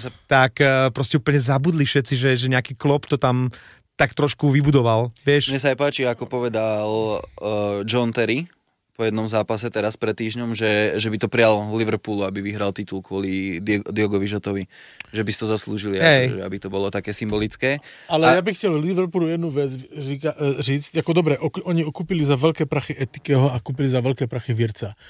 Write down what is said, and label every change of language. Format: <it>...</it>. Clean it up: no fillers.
<sk>Tak proste úplne zabudli všetci, že nejaký Klop to tam tak trošku vybudoval, vieš? Mne sa aj páči, ako povedal John Terry po jednom zápase teraz pred týždňom, že by to prial Liverpoolu, aby vyhral titul kvôli Diogovi Jotovi. Že by si to zaslúžili, aby to bolo také symbolické.</sk> <cs>Ale ja bych chcel Liverpoolu jednu vec říct.</cs> <sk>Jako dobre, oni okúpili za veľké prachy Etikeho a kúpili za veľké prachy Virca.</sk>